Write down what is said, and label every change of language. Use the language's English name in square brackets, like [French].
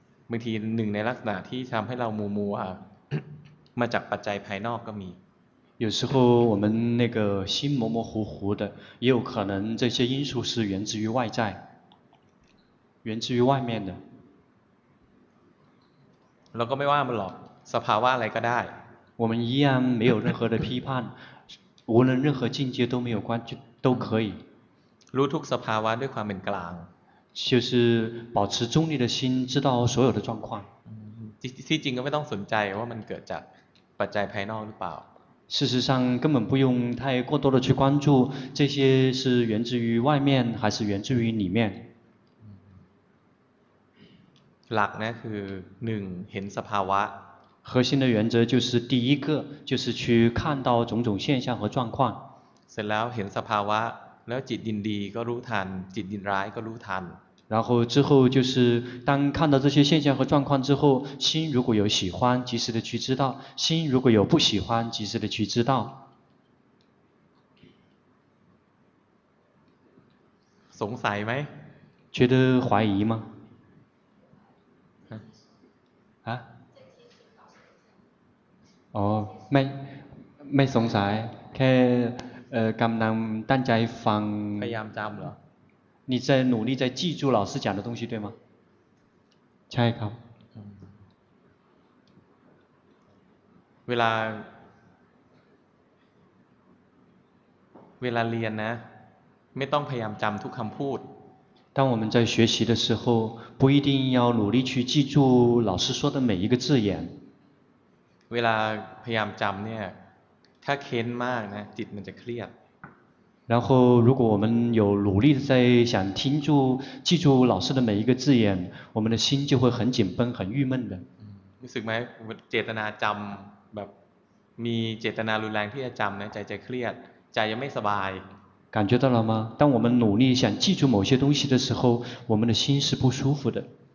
[Thai] บางทีหนึ่งในลักษณะที่ทำให้เรามัวมัวมาจากปัจจัยภายนอกก็มี [Chinese] 有时候我们那个心模模糊糊的也有可能这些因素是源自于外在源自于外面的 [Thai] เราก็ไม่ว่ามันหรอกสภาวะอะไรก็ได้ [Chinese] 我们依然没有任何的批判，无论任何境界都没有关系，都可以。 [Thai] รู้ทุกสภาวะด้วยความเป็นกลาง， [Chinese] 就是保持中立的心，知道所有的状况。 [Thai] ที่จริงก็ไม่ต้องสนใจว่ามันเกิดจากปัจจัยภายนอกหรือเปล่า。 [Chinese] 事实上根本不用太过多的去关注这些是源自于外面还是源自于里面。 [Thai] หลักนะคือหนึ่งเห็นสภาวะ。 [Chinese] 核心的原则就是第一个就是去看到种种现象和状况 [Thai] เสร็จแล้วเห็นสภาวะแล้วจิตยินดีก็รู้ทันจิตยินร้ายก็รู้ทัน [Chinese] 然后之后就是当看到这些现象和状况之后心如果有喜欢及时的去知道心如果有不喜欢及时的去知道 [Thai] สงสัยไหม [Chinese] 觉得怀疑吗啊？ [Thai] 哦，ไม่สงสัยแค่กำลังตั้งใจฟัง พยายามจำเหรอ [Chinese] 你在努力在记住老师讲的东西对吗 [Thai] ใช่ครับ เวลาเรียนนะไม่ต้องพยายามจำทุกคำพูด [Chinese] 当我们在学习的时候不一定要努力去记住老师说的每一个字眼 [Thai] เวลาพยายามจำเนี่ยถ้าเค้นมากนะจิตมันจะเครียด [Chinese] 然后如果我们有努力在想听住记住老师的每一个字眼我们的心就会很紧绷很郁闷的 [Thai] รู้สึกไหมเจตนาจำแบบมีเจตนารุนแรงที่จะจำนะใจจะเครียดใจยังไม่สบาย [Chinese] 感觉到了吗当我们努力想记住某些东西的时候我们的心是不舒服的